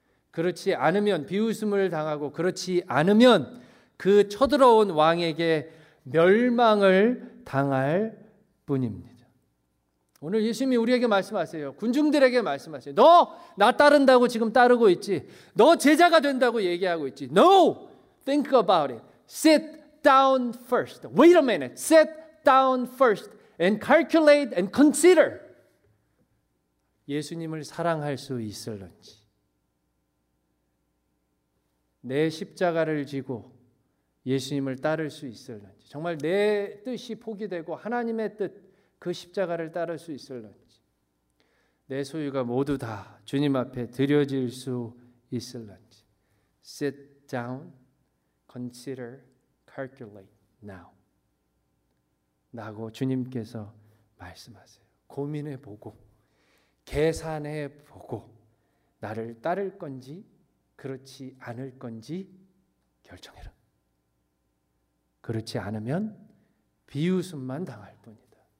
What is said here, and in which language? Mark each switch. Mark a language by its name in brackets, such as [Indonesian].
[Korean] 그렇지 않으면 비웃음을 당하고 그렇지 않으면 그 쳐들어온 왕에게 멸망을 당할 뿐입니다. 오늘 예수님이 우리에게 말씀하세요. 군중들에게 말씀하세요. 너 나 따른다고 지금 따르고 있지. 너 제자가 된다고 얘기하고 있지. [English] No! Think about it. Sit down first. Wait a minute. Sit down first and calculate and consider. [Korean] 예수님을 사랑할 수 있을런지. 내 십자가를 지고 예수님을 따를 수 있을런지. 정말 내 뜻이 포기되고 하나님의 뜻 그 십자가를 따를 수 있을런지. 내 소유가 모두 다 주님 앞에 드려질 수 있을런지. [English] Sit down, consider, calculate now. [Korean] 라고 주님께서 말씀하세요. 고민해보고 계산해보고 나를 따를 건지 그렇지 않을 건지 결정해라. 그렇지 않으면 비웃음만 당할 뿐이다.